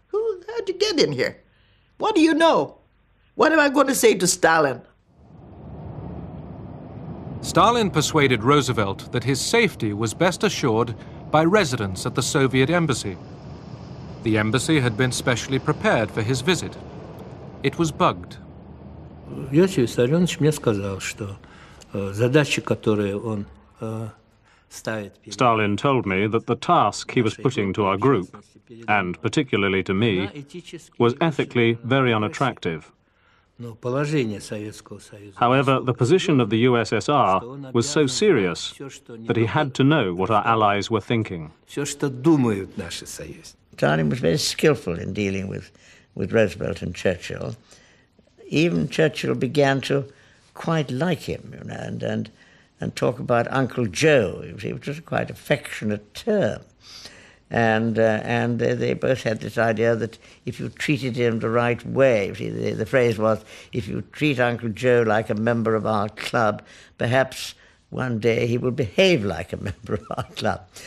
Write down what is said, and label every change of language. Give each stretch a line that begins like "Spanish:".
English: Who, how'd you get in here? What do you know? What am I going to say to Stalin?" Stalin persuaded Roosevelt that his safety was best assured by residence at the Soviet embassy. The embassy had been specially prepared for his visit. It was bugged.
Russian: Иосиф Виссарионович мне сказал, что задачи, которые он ставит...
English: Stalin told me that the task he was putting to our group, and particularly to me, was ethically very unattractive. However, the position of the USSR was so serious that he had to know what our allies were thinking.
Russian: Все, что думают наши союзники.
English: Stalin was very skillful in dealing with Roosevelt and Churchill. Even Churchill began to quite like him, you know, and talk about Uncle Joe. It was just quite affectionate term. And they both had this idea that if you treated him the right way, you see, the phrase was, if you treat Uncle Joe like a member of our club, perhaps one day he will behave like a member of our club.